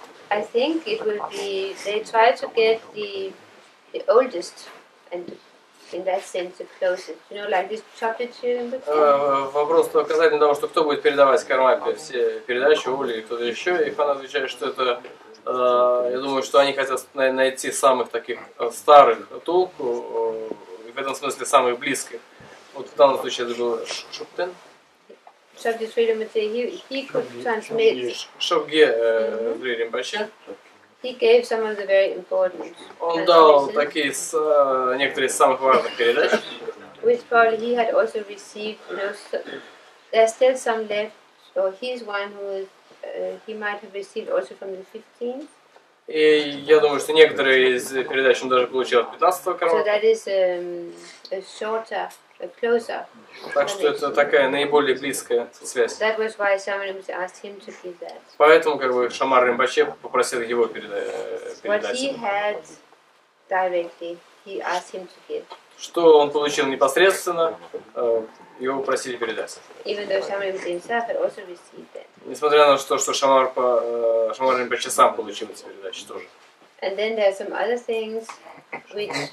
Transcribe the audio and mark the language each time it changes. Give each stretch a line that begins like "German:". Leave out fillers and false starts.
English: I think it will be they try to get the oldest and in that sense, the closest. You know, like this chocolate chip.
Russian: Вопрос то касательно того, что кто будет передавать Кармапе все передачи, Оле и кто-то еще. И Фан отвечает, что это, я думаю, что они хотят найти самых таких старых толку, в этом смысле самых близких. Вот в данном случае это был Шоптен.
English: Шопге Сриримбаче, he could transmit.
Russian: Шопге Сриримбаче.
English: He gave some of the very important.
Russian: Он дал такие некоторые из самых важных передач.
English: Which probably he had also received. You know, so there's still some left. So he's one who is, he might have received also from the 15th.
Russian: И я думаю, что некоторые из передач он даже получил от 15-го Кармапы.
English: So that is a shorter, a closer.
Russian: Так что это такая наиболее близкая связь.
English: That was why someone asked him to give that.
Russian: Поэтому как бы Шамар Ринпоче попросил его передать.
English: What he had directly, he asked him to give.
Russian: Что он получил непосредственно, его просили передать.
English: Even though Shamar Ринпоче himself had also received that.
Russian: Несмотря на то, что Шамар Ринпоче сам получил эти передачи тоже.
English: And then there are some other things which